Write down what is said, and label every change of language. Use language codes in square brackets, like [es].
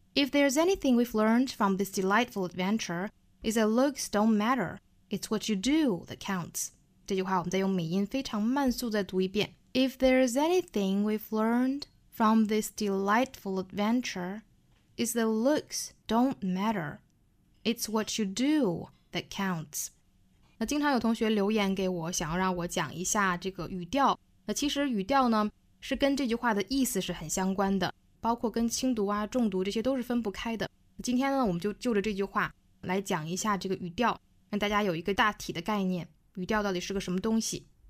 [en] If there's anything we've learned from this delightful adventure, is that looks don't matter. It's what you do that counts. [zh] 这句话我们再用美音非常慢速再读一遍。 [en] If there's anything we've learned from this delightful adventure, is that looks don't matter. It's what you do that counts. [zh] 那经常有同学留言给我，想要让我讲一下这个语调。那其实语调呢，是跟这句话的意思是很相关的。包括跟轻读啊重读这些都是分不开的。今天呢我们就着这句话来讲一下这个语调，让大家有一个大体的概念，语调到底是个什么东西。